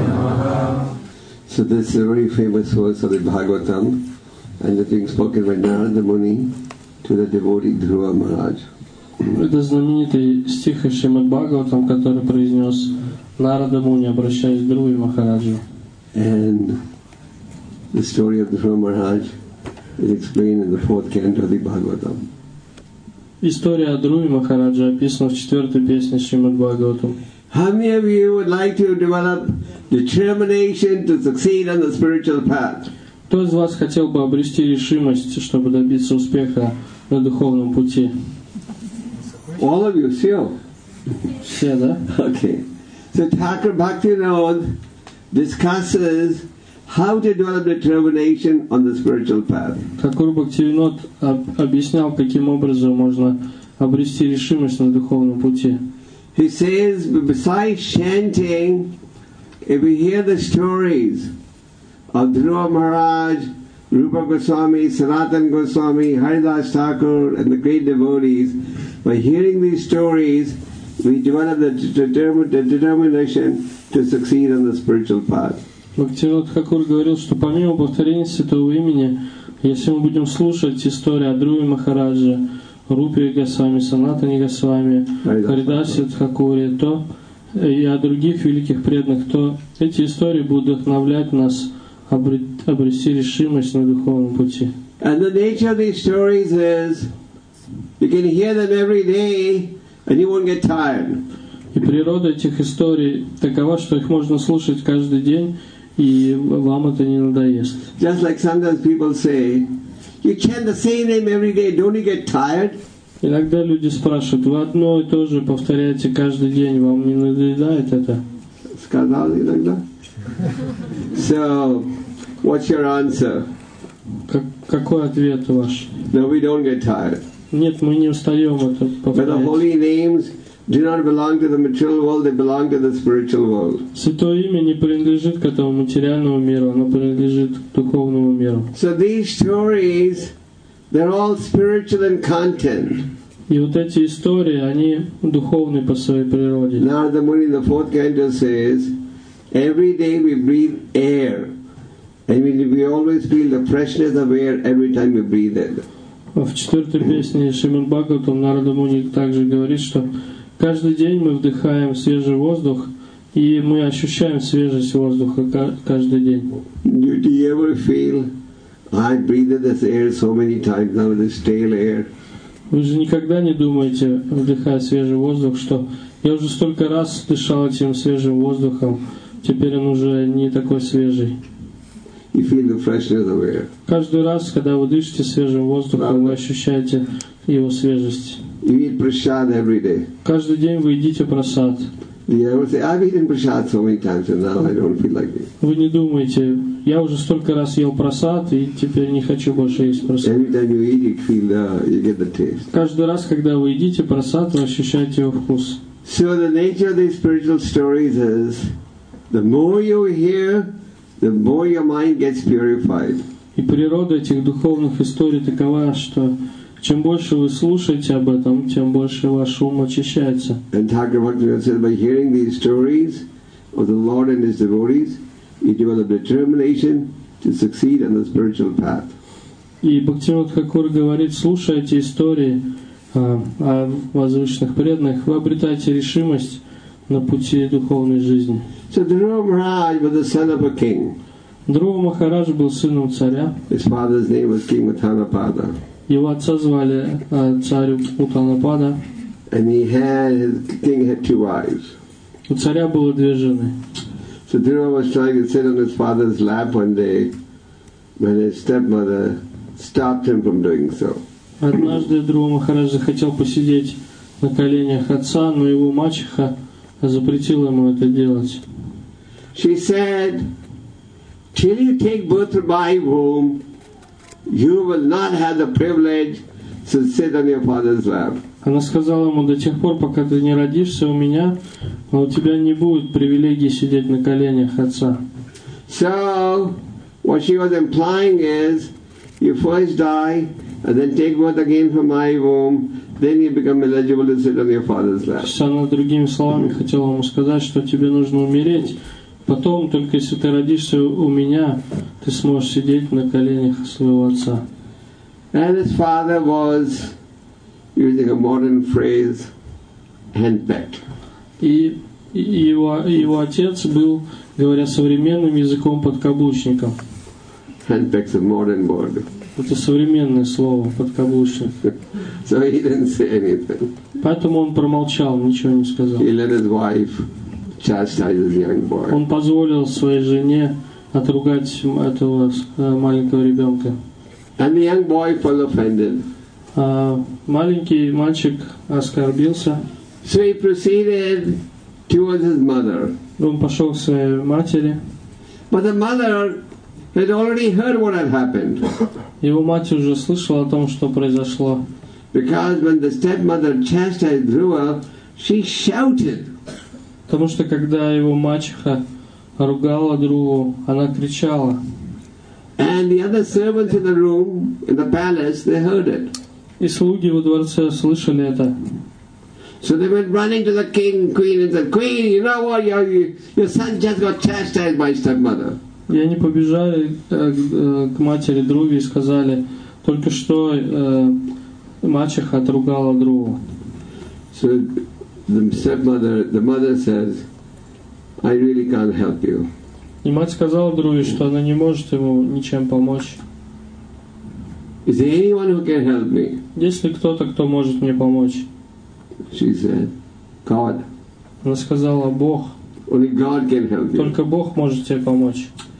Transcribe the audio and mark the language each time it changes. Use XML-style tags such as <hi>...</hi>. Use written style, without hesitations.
<en>Namaha. So this is a very famous verse of the Bhagavatam, and it's being spoken by Narada Muni to the devotee Dhruva Maharaj.</en> <ru>Это знаменитый стих из Шримад Бхагаватам, который произнес Нарада Муни, обращаясь к Друве Махараджу.</ru> <en>And the story of Dhruva Maharaj is explained in the fourth canto of the Bhagavatam.</en> <ru>История о Друве Махараджа описана в четвертой песне Шримад Бхагаватам.</ru> <en>How many of you would like to develop determination to succeed on the spiritual path?</en> <ru>Кто из вас хотел бы обрести решимость, чтобы добиться успеха на духовном пути?</ru> <en>All of you,</en> <ru>все? Все, да?</ru> <en>Okay. So Thakur Bhaktivinoda discusses how to develop determination on the spiritual path.</en> <ru>Thakur Bhaktivinoda объяснял, каким образом можно обрести решимость на духовном пути.</ru> <en>He says, besides chanting, if we hear the stories of Dhruva Maharaj, Rupa Goswami, Sanatan Goswami, Haridas Thakur, and the great devotees, by hearing these stories, we develop the determination to succeed on the spiritual path.</en> <ru>Бхактивинод Хакур говорил, что помимо повторения святого имени, если мы будем слушать истории о Друве Махарадже, Рупе Госвами, Санатане Госвами, Харидасе Хакуре, то и о других великих преданных, то эти истории будут вдохновлять нас обрести решимость на духовном пути.</ru> <en>And the nature of these stories is you can hear them every day and you won't get tired.</en> <ru>И природа этих историй такова, что их можно слушать каждый день. И вам это не надоест.</ru> <en>Just like sometimes people say, you chant the same name every day, don't you get tired?</en> <ru>Иногда люди спрашивают, вы одно и то же повторяете каждый день, вам не надоедает это? Сказал иногда.</ru> <en>So, what's your answer?</en> <ru>Какой ответ ваш?</ru> <en>No, we don't get tired.</en> <ru>Нет, мы не устаем это повторять.</ru> <en>But the holy names do not belong to the material world, they belong to the spiritual world.</en> <ru>Святое имя не принадлежит к этому материальному миру, оно принадлежит к духовному миру.</ru> <en>So these stories, they're all spiritual in content.</en> <ru>И вот эти истории, они духовные по своей природе.</ru> <en>Narada Muni, the fourth canto, says, every day we breathe air, and we always feel the freshness of air every time we breathe it.</en> <ru>В четвертой песне Шримад Бхагаватам Нарада Муни также говорит, что каждый день мы вдыхаем свежий воздух, и мы ощущаем свежесть воздуха каждый день.</ru> <en>Do you ever feel I breathe this air so many times now, this stale air?</en> <ru>Вы же никогда не думаете, вдыхая свежий воздух, что я уже столько раз дышал этим свежим воздухом, теперь он уже не такой свежий.</ru> <en>You feel the freshness of air.</en> <ru>Каждый раз, когда вы дышите свежим воздухом, вы ощущаете его свежесть.</ru> <en>You eat prasad every day.</en> <ru>Каждый день вы едите прасад. Вы не думаете, я уже столько раз ел прасад, и теперь не хочу больше есть прасад.</ru> <en>Every time you eat it, feel the, you get the taste.</en> <ru>Каждый раз, когда вы едите прасад, вы ощущаете его вкус.</ru> <en>So the nature of these spiritual stories is, the more you hear, the more your mind gets purified.</en> <ru>И природа этих духовных историй такова, что чем больше вы слушаете об этом, тем больше ваш ум очищается.</ru> <en>And Thakur Bhaktivinoda said, by hearing these stories of the Lord and His devotees, you develop determination to succeed on the spiritual path.</en> <ru>И Бхактивинода Хакур говорит, слушая эти истории о возвышенных преданных, вы обретаете решимость на пути духовной жизни.</ru> <en>So Dhruva Maharaj was the son of a king.</en> <ru>Dhruva Maharaj был сыном царя.</ru> <en>His father's name was King Uttanapada.</en> <ru>Его отца звали царь Уттанапада.</ru> <en>And he had, his king had two wives.</en> <ru>У царя было две жены.</ru> <en>So Dhruva was trying to sit on his father's lap one day when his stepmother stopped him from doing so.</en> <ru>Однажды Dhruva Maharaj захотел посидеть на коленях отца, но его мачеха запретила ему это делать.</ru> <en>She said, till you take birth from my womb, you will not have the privilege to sit on your father's lap.</en> <ru>Она сказала ему, до тех пор, пока ты не родишься у меня, у тебя не будет привилегии сидеть на коленях отца.</ru> <en>So, what she was implying is, you first die, and then take birth again from my womb, then you become eligible to sit on your father's lap.</en> <ru>Она другими словами хотела ему сказать, что тебе нужно умереть, потом, только если ты родишься у меня, ты сможешь сидеть на коленях своего отца.</ru> <en>And his father was, using a modern phrase, henpecked.</en> <ru>И его отец был, говоря современным языком, подкаблучником.</ru> <en>Henpecked, a modern word.</en> <ru>Это современное слово, подкаблучник.</ru> <en>So he didn't say anything.</en> <ru>Поэтому он промолчал, ничего не сказал.</ru> <en>He let his wife chastise his young boy.</en> <ru>Он позволил своей жене отругать этого маленького ребенка.</ru> <en>And the young boy felt offended.</en> <ru>Маленький мальчик оскорбился.</ru> <en>So he proceeded towards his mother.</en> <ru>Он пошел к своей матери.</ru> <en>But the mother had already heard what had happened.</en> <ru>Его мать уже слышала о том, что произошло.</ru> <en>Because when the stepmother chastised Dhruva, she shouted.</en> <ru>Потому что когда его мачеха ругала Дhruva, она кричала.</ru> <en>And the other servants in the room, in the palace, they heard it.</en> <ru>И слуги во дворце слышали это.</ru> <en>So they went running to the king, queen, and said, "Queen, you know what? Your son just got chastised by stepmother."</en> <ru>И они побежали к матери Дhruva и сказали, только что мачеха отругала Дhruva.</ru> <en>So the stepmother, the mother says, I really can't help you.</en> <ru>И мать сказала Дhruva, что она не может ему ничем помочь.</ru> <en>Is there anyone who can help me?</en> <ru>Есть ли кто-то, кто может мне помочь?</ru> <en>She said, God.</en> <ru>Она сказала, Бог.</ru> <en>Only God can help you.</en> <ru>Только Бог может тебе помочь.</ru>